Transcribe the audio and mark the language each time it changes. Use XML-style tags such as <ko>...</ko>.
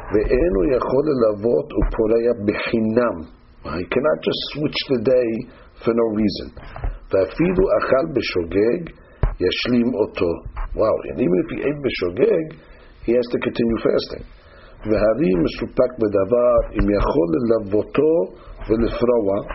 <he>ואין הוא יכול ללוות ופוריה בחינם.</he> <en>He cannot just switch the day for no reason.</en> <he>ואפילו אכל בשוגג ישלים אותו.</he> <en>Wow, and even if he ate בשוגג, he has to continue fasting.</en> <he>והרי מסופק בדבר אם יכול ללוותו ולפרוע.</he>